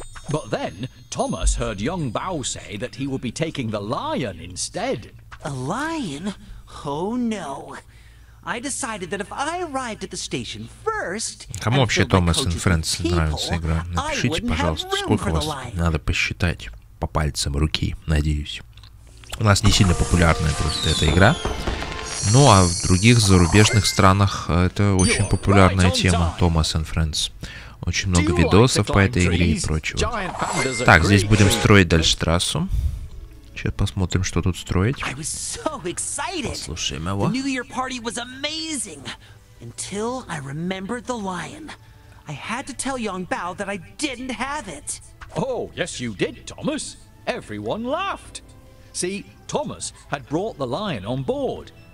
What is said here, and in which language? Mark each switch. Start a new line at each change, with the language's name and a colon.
English: But then, Thomas heard Yong Bao say that he would be taking the lion instead. A lion? Oh no. I decided that if I arrived at the station first...
Russian: Кому вообще Thomas and Friends нравится игра? Напишите, пожалуйста, сколько вас надо посчитать по пальцам руки, надеюсь. У нас не сильно популярная просто эта игра. Ну а в других зарубежных странах это очень популярная тема, Thomas and Friends. Очень много видосов по этой игре и прочего. Так, здесь будем строить дальше трассу. Сейчас посмотрим, что тут строить. Послушаем его.
English: New Year party was amazing until I remembered the lion. I had to tell Yong Bao that I didn't have it. Oh, yes you did, Thomas. Everyone laughed. See, Thomas had brought the lion on board.